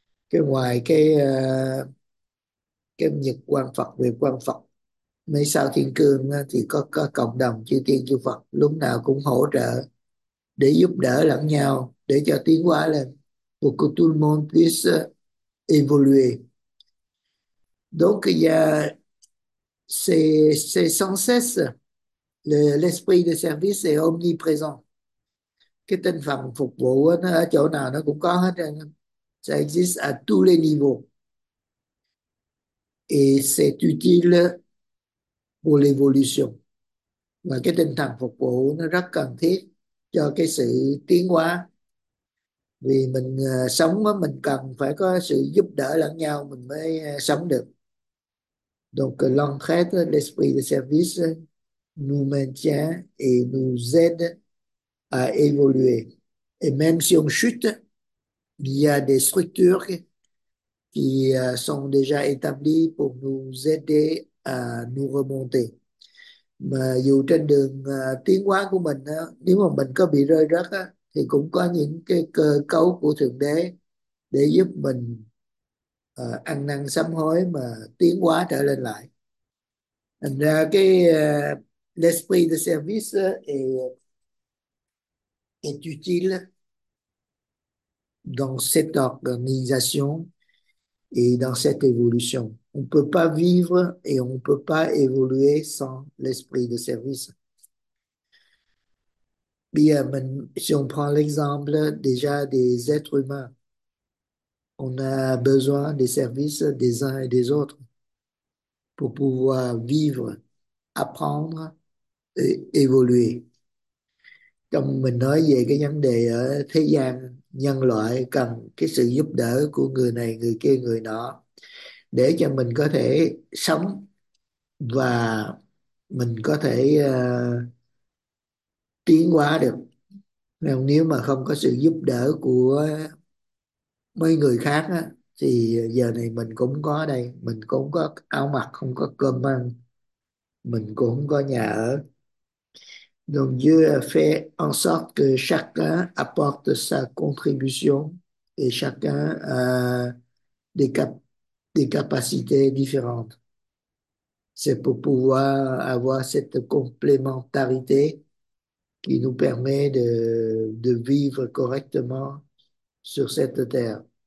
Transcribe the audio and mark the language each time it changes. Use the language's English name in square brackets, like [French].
[Vietnamese] Que ngoài cái nhật quang Phật, nguyệt quang Phật, mấy sao thiên cương thì có cộng đồng chư tiên chư Phật lúc nào cũng hỗ trợ để giúp đỡ lẫn nhau để cho tiến hóa lên, [French] pour que tout le monde puisse évoluer. Donc il y a c'est sans cesse l'esprit de service est omniprésent. [Vietnamese] Cái tinh thần phục vụ nó ở chỗ nào nó cũng có hết, [French] ça existe à tous les niveaux. Et c'est utile pour l'évolution. [Vietnamese] Và cái tinh thần phục vụ nó rất cần thiết cho cái sự tiến hóa. Vì mình sống mình cần phải có sự giúp đỡ lẫn nhau mình mới sống được. [French] Donc l'entraide, l'esprit de service nous maintient et nous aide à évoluer. Et même si on chute, il y a des structures qui sont déjà établis pour nous aider à nous remonter. [Vietnamese] Mà dù trên đường tiến hóa của mình, nếu mà mình có bị rơi rớt, thì cũng có những cái cơ cấu của Thượng Đế để giúp mình ăn năn sám hối mà tiến hóa trở lên lại. Thành ra cái [French] l'esprit de service est utile dans cette organisation. Et dans cette évolution, on ne peut pas vivre et on ne peut pas évoluer sans l'esprit de service. Bien, si on prend l'exemple déjà des êtres humains, on a besoin des services des uns et des autres pour pouvoir vivre, apprendre et évoluer. Comme [Vietnamese] mình nói về cái vấn đề ở thế gian, nhân loại cần cái sự giúp đỡ của người này, người kia, người nọ để cho mình có thể sống và mình có thể tiến hóa được. Nếu mà không có sự giúp đỡ của mấy người khác á, thì giờ này mình cũng có đây, mình cũng có áo mặc, không có cơm ăn, mình cũng không có nhà ở. [French] Donc Dieu a fait en sorte que chacun apporte sa contribution et chacun a des capacités différentes. C'est pour pouvoir avoir cette complémentarité qui nous permet de vivre correctement sur cette terre.